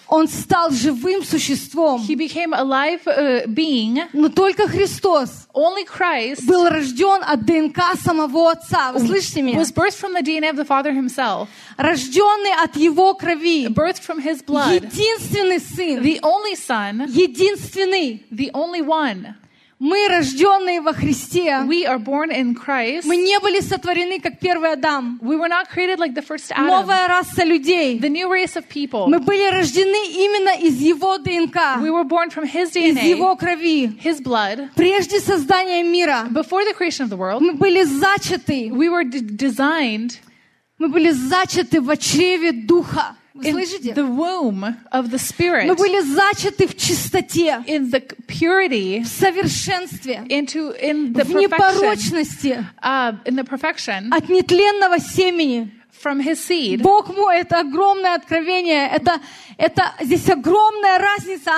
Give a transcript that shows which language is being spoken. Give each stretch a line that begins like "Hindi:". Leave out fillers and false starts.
Russian: Он стал живым существом.
English: He became a live being.
Russian: Но только Христос.
English: Only Christ.
Russian: Был рожден от ДНК самого Отца. Вы слышите меня?
English: Was birthed from the DNA of the Father himself.
Russian: Рожденный от Его крови.
English: Birthed from His blood.
Russian: Единственный Сын.
English: The only Son.
Russian: Единственный.
English: The only one.
Russian: Мы рожденные во Христе.
English: We are born in Christ.
Russian: Мы не были сотворены как первый Адам.
English: We were not created like the first Adam.
Russian: Новая раса людей.
English: The new race of people.
Russian: Мы были рождены именно из его ДНК.
English: We were born from his DNA.
Russian: Из его крови.
English: His blood.
Russian: Прежде создания мира.
English: Before the creation of the world.
Russian: Мы были зачаты.
English: We were designed.
Russian: Мы были зачаты в чреве Духа.
English: In the womb of the Spirit.
Russian: Мы были зачаты в чистоте.
English: In the purity.
Russian: В совершенстве.
English: Into, in the
Russian: в непорочности.
English: In the perfection.
Russian: От нетленного семени.
English: From his seed.
Russian: Бог мой, это огромное откровение. Это здесь огромная разница.